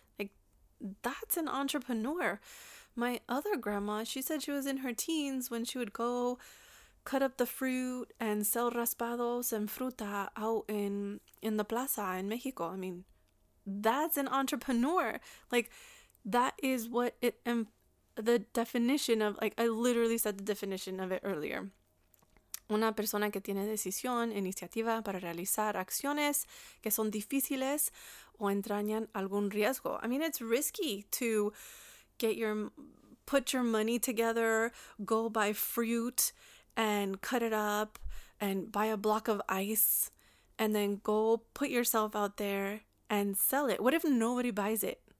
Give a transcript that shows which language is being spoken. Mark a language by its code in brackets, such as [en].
[en] Like, that's an entrepreneur. My other grandma, she said she was in her teens when she would go cut up the fruit and sell raspados and fruta out in the plaza in Mexico. I mean, that's an entrepreneur. Like, that is what it, the definition of, like, I literally said the definition of it earlier. [es] Una persona que tiene decisión, iniciativa para realizar acciones que son difíciles o entrañan algún riesgo. [en] I mean, it's risky to put your money together, go buy fruit and cut it up and buy a block of ice and then go put yourself out there and sell it. What if nobody buys it?